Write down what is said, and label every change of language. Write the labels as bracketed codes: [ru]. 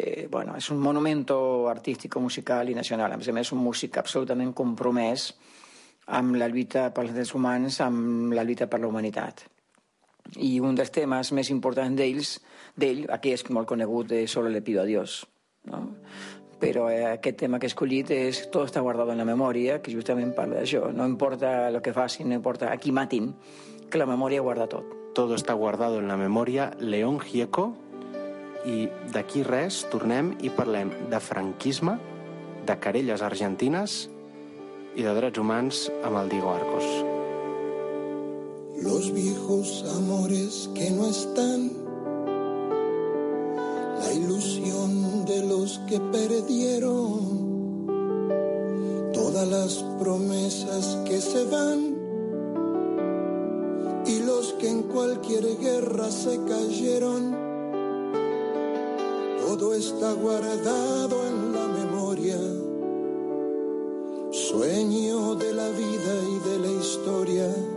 [ca] Bueno, és un monument artístic, musical i nacional. A més a més, és un músic absolutament compromès amb la lluita pels drets humans, amb la lluita per la humanitat. I un dels temes més importants d'ell, aquí és molt conegut, és Solo le pido a Dios, no? Però aquest tema que he escollit és Todo está guardado en la memoria, que justament parla d'això. No importa el que facin, no importa a qui matin, que la memòria guarda tot. Todo está guardado en la memòria, León Gieco. I d'aquí res, tornem i parlem de franquisme, de querelles argentines i de drets humans amb el Diego Arcos. [es] Los viejos amores que no están, la ilusión de los que perdieron, todas las promesas que se van y los que en cualquier guerra se cayeron, todo está guardado en la memoria, sueño de la vida y de la historia.